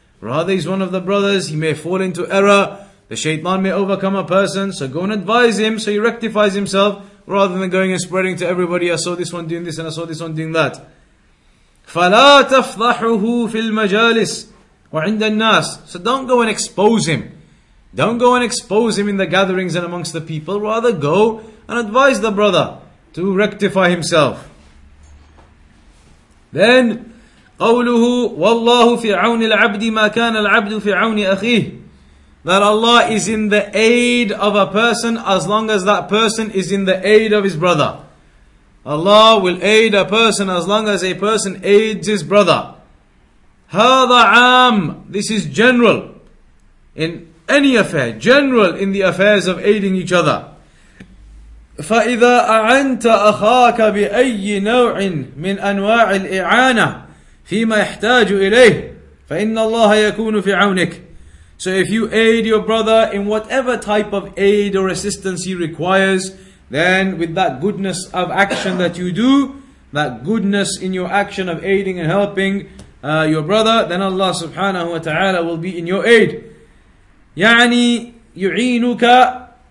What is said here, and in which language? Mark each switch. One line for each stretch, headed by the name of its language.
English: Rather, he's one of the brothers, he may fall into error, the shaitan may overcome a person, so go and advise him so he rectifies himself, rather than going and spreading to everybody, I saw this one doing this and I saw this one doing that.
Arabic: فَلَا تَفْضَحُهُ فِي الْمَجَالِسِ وَعِنْدَ النَّاسِ.
English: So don't go and expose him. Don't go and expose him in the gatherings and amongst the people, rather go and advise the brother to rectify himself.
Arabic: Then, قوله والله في عون العبد ما كان العبد في عون أخيه.
English: That Allah is in the aid of a person as long as that person is in the aid of his brother. Allah will aid a person as long as a person aids his brother.
Arabic: هذا عام.
English: This is general in any affair, general in the affairs of aiding each other.
Arabic: فإذا أعنت أخاك بأي نوع من أنواع الإعانة فيما يحتاج إليه فإن الله يكون في عونك.
English: So if you aid your brother in whatever type of aid or assistance he requires, then with that goodness of action that you do, that goodness in your action of aiding and helping your brother, then Allah subhanahu wa ta'ala will be in your aid.
Arabic: يعني يعينك